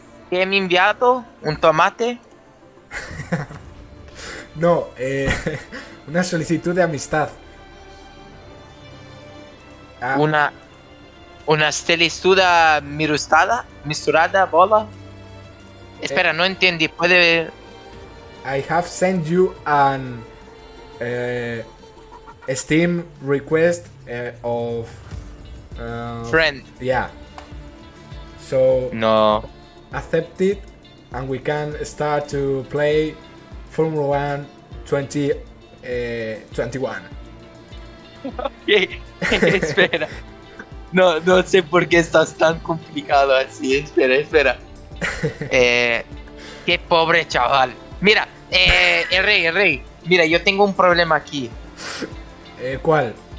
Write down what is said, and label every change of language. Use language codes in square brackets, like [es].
[es] ¿Qué me ha enviado? ¿Un tomate? No, una solicitud de amistad. Ah. ¿Una solicitud mirustada? ¿Misturada? ¿Bola? Espera, no entendí. ¿Puede ver? [en] I have sent you an Steam request of. Friend. Yeah. So. No. Accept it and we can start to play Formula 1 2021. [es] Ok. Espera. No sé por qué estás tan complicado así. Espera. Qué pobre chaval. Mira, el rey. Mira, yo tengo un problema aquí. ¿Cuál?